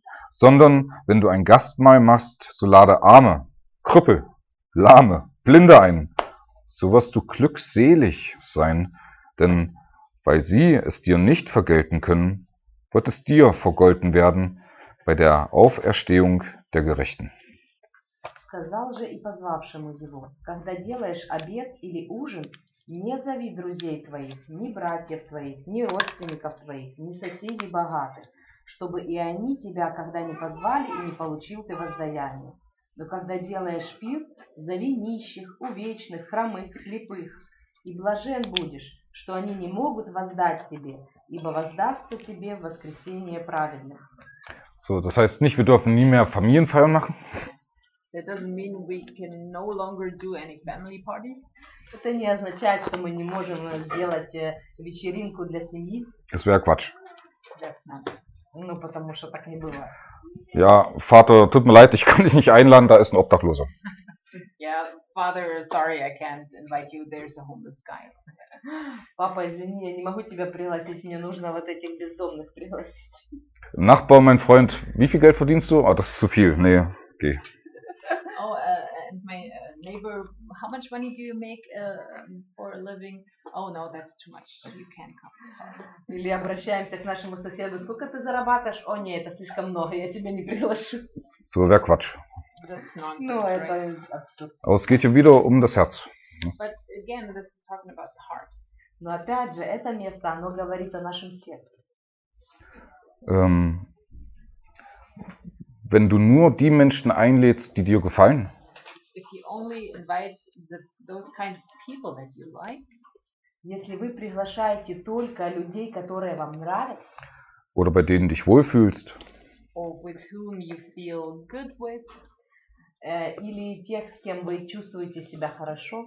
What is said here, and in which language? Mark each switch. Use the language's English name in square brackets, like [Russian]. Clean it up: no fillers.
[German] Sondern, wenn du ein Gastmahl machst, so lade Arme, Krüppel, Lahme, Blinde ein. So wirst du glückselig sein, denn weil sie es dir nicht vergelten können, wird es dir vergolten werden bei der Auferstehung der Gerechten. [Russian] Сказал же и позвавшему его, когда делаешь обед или ужин, не зови друзей твоих, ни братьев твоих, ни родственников твоих, ни соседей богатых, чтобы и они тебя когда не позвали и не получил ты воздаяние. Но когда делаешь пир, зови нищих, увечных, хромых, слепых, и блажен будешь, что они не могут воздать тебе, ибо воздастся тебе в воскресение праведных. [German] So, das heißt nicht, wir dürfen nie mehr Familienfeiern machen. [English] That doesn't mean we can no longer do any family party. [Russian] Это не означает, что мы не можем сделать вечеринку для семьи. [German] Das wäre Quatsch. [Russian] Ну, потому что так не было. [German] Ja, Vater, tut mir leid, ich kann dich nicht einladen, da ist ein Obdachloser. [English] Yeah, Father, sorry, I can't invite you, there's a homeless guy. [Russian] Papa, извини, я не могу тебя пригласить, мне нужно вот этих бездомных пригласить. [German] Nachbar, mein Freund, wie viel Geld verdienst du? Ah, das ist zu viel. Nee, geh. [English] Oh, and my neighbor, how much money do you make for a living? Oh, no, that's too much, you can't come, sorry. [Russian] Или обращаемся к нашему соседу, сколько ты зарабатываешь? О, нет, это слишком много, я тебя не приглашу. [German] So, wer Quatsch. [English] That's nonsense, no, right? [German] Aber es geht hier wieder das Herz. [English] But again, this is talking about the heart. [Russian] Но опять же, это место, оно говорит о нашем сердце. [German] Wenn du nur die Menschen einlädst, die dir gefallen, [English] if you only invite those kind of people that you like, [Russian] если вы приглашаете только людей, которые вам нравятся, [German] oder bei denen dich wohlfühlst, [English] or with whom you feel good with, [Russian] или тех, с кем вы чувствуете себя хорошо,